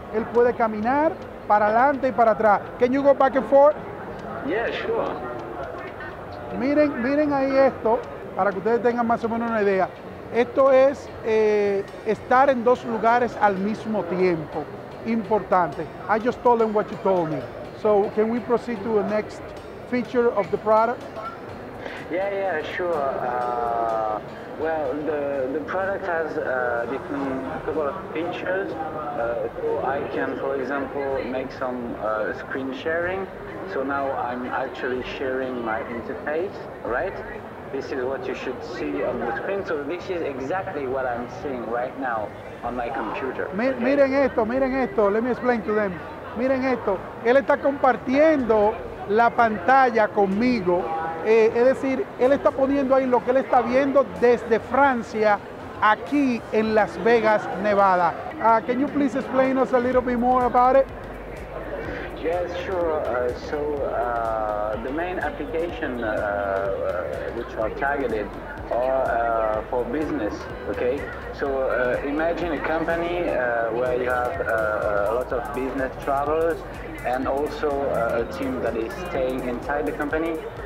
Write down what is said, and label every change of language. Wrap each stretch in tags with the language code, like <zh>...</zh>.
<es>Él puede caminar para adelante y para atrás.</es> <en>Can you go back and forth? Yeah, sure.</en> <es>Miren, miren ahí esto, para que ustedes tengan más o menos una idea. Esto es estar en dos lugares al mismo tiempo. Importante.</es> <en>I just told them what you told me. So, can we proceed to the next feature of the product? Yeah, yeah, sure. Well, the product has different couple of features. So I can, for example, make some screen sharing. So now I'm actually sharing my interface, right? This is what you should see on the screen. So this is exactly what I'm seeing right now on my computer.</en> <es>Miren esto, miren esto.</es> <en>Let me explain to them.</en> <es>Miren esto. Él está compartiendo la pantalla conmigo. Es decir, él está poniendo ahí lo que él está viendo desde Francia, aquí en Las Vegas, Nevada.</es> <en>Can you please explain us a little bit more about it? Yes, sure. So the main application which are targeted are for business, okay? So imagine a company where you have a lot of business travelers and also a team that is staying inside the company.</en>